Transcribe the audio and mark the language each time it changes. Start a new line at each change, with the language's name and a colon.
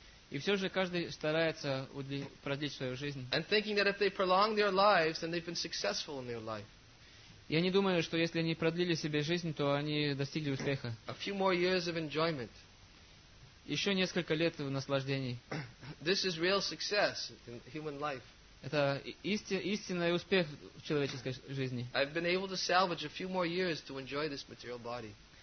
Russian: И все же каждый старается продлить свою жизнь.
English: And thinking that if they prolong their lives, then they've been successful in their life.
Russian: Я не думаю, что если они продлили себе жизнь, то они достигли успеха.
English: A few more years of enjoyment.
Russian: Еще несколько лет в наслаждении.
English: This is real success in human life.
Russian: Это истинный успех в человеческой жизни.
English: I've been able to salvage a few more years to enjoy this material body.